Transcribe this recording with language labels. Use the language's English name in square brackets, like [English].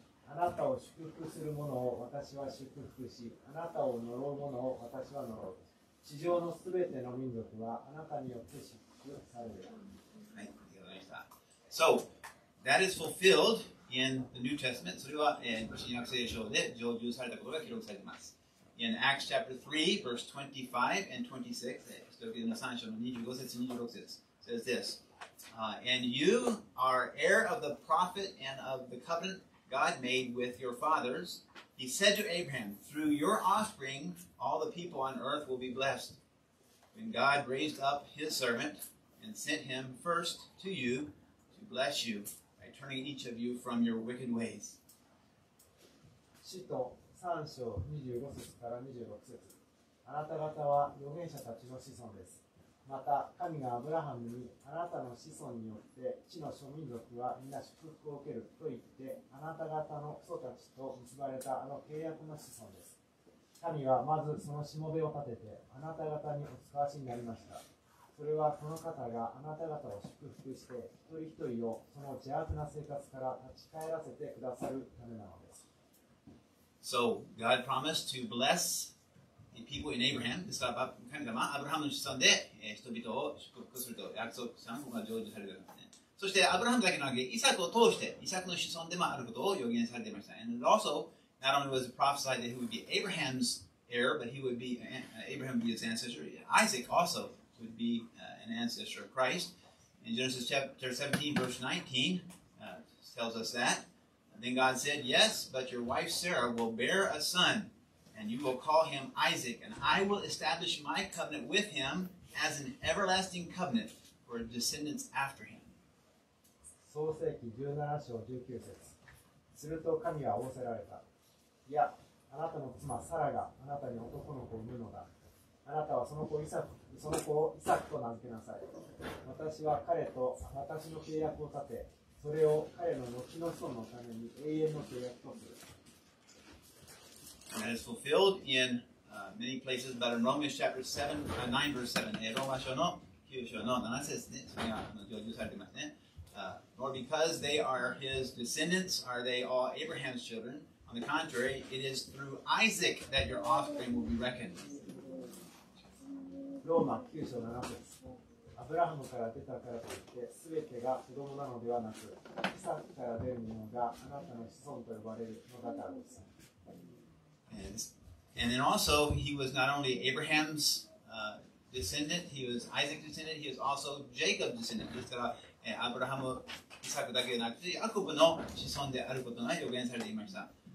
[Japanese] あなたを祝福する者を私は祝福し、あなたを呪う者を私は呪う。地上のすべての民族はあなたによって祝福される。はい、ありがとうございました。 [English] So, that is fulfilled in the New Testament. [Japanese] それは、新約聖書で成就されたことが記録されています。 [English] In Acts chapter 3, verse 25 and 26,says this, and you are heir of the prophet and of the covenant God made with your fathers. He said to Abraham, through your offspring, all the people on earth will be blessed. When God raised up his servant and sent him first to you to bless you by turning each of you from your wicked ways. [Japanese] 使徒3章25節から26節。あなた方は預言者たちの子孫です。また神がアブラハムにあなたの子孫によって地の諸民族は皆祝福を受けると言ってあなた方の祖たちと結ばれたあの契約の子孫です。神はまずそのしもべを立ててあなた方にお使わしになりました。それはこの方があなた方を祝福して一人一人をその邪悪な生活から立ち返らせてくださるためなのです。 [English] So, God promised to bless people in Abraham. [Japanese] ですから神様はアブラハムの子孫で人々を祝福すると約束したのが成就されていますね。そしてアブラハムだけのわけイサクを通してイサクの子孫でもあることを予言されていました。 [English] And also, not only was it prophesied that he would be Abraham's heir, but he would be, Abraham would be his ancestor. Isaac also would be an ancestor of Christ. In Genesis chapter 17, verse 19, tells us that. Then God said, yes, but your wife Sarah will bear a son. And you will call him Isaac, and I will establish my covenant with him as an everlasting covenant for descendants after him. [Japanese] 創世記十七章十九節。すると神は仰せられた。いや、あなたの妻サラがあなたに男の子を産むのだ。あなたはその子イサク、その子をイサクと名付けなさい。私は彼と私の契約を立て、それを彼の後の子孫のために永遠の契約とする。 [English] And that is fulfilled in many places, but in Romans chapter 9, verse 7, [Japanese] Roma 書の9章の7節ですね、それが成就されていますね。 [English] Nor because they are his descendants are they all Abraham's children. On the contrary, it is through Isaac that your offspring will be reckoned. [Japanese] ローマ9章7節。アブラハムから出たからといって、すべてが彼の子供なのではなく、イサクから出るものがあなたの子孫と呼ばれるのだからです。 [English] And then also, he was not only Abraham's descendant, he was Isaac's descendant, he was also Jacob's descendant. [Japanese] ですから、アブラハム、イサクだけでなくて、ヤコブの子孫であることが予言されていました。